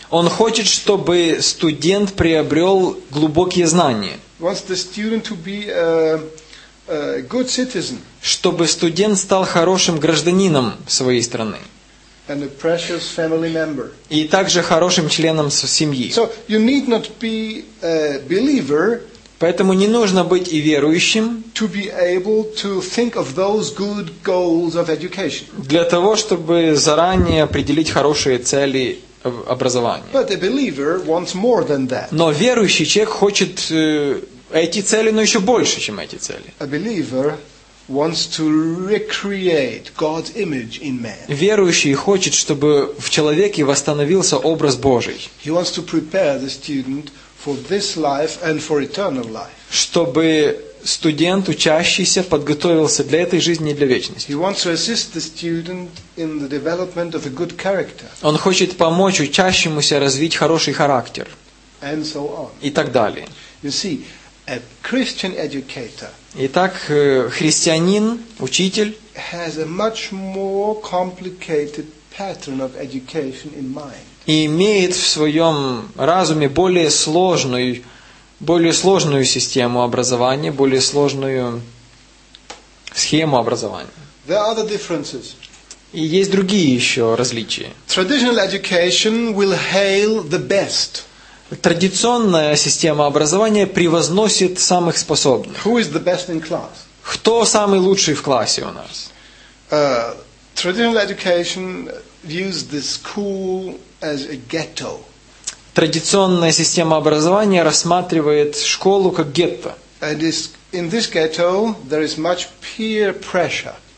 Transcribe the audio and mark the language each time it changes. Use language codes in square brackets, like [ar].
[ru] Он хочет, чтобы студент приобрел глубокие знания. [en] He wants the student to be a good citizen. [ru] Чтобы студент стал хорошим гражданином своей страны. [en] and a precious family member. [ru] И также хорошим членом семьи. [en] So you need not be a believer. [ru] Поэтому не нужно быть и верующим [en] to be able to think of those good goals of education. [ru] Для того, чтобы заранее определить хорошие цели образования. [en] But a believer wants more than that. [ru] Но верующий человек хочет эти цели, но еще больше, чем эти цели. [en] A believer wants to recreate God's image in man. [ru] Верующий хочет, чтобы в человеке восстановился образ Божий. [en] He wants to prepare the student for this life and for eternal life. [ru] Чтобы студент, учащийся, подготовился для этой жизни и для вечности. [en] He wants to assist the student in the development of a good character. [ru] Он хочет помочь учащемуся развить хороший характер. [en] And so on. [ru] И так далее. [en] You see, a Christian educator. [ru] Итак, христианин, учитель [en] has a much more complicated pattern of education in mind. [ru] И имеет в своем разуме более сложную систему образования, более сложную схему образования. [en] There are other differences. [ru] И есть другие еще различия. [en] Traditional education will hail the best. [ru] Традиционная система образования превозносит самых способных. [en] Who is the best in class? [ru] Кто самый лучший в классе у нас? [en] Traditional education views the school as a ghetto. [ru] Традиционная система образования рассматривает школу как гетто. [en] And in this ghetto there is much peer pressure.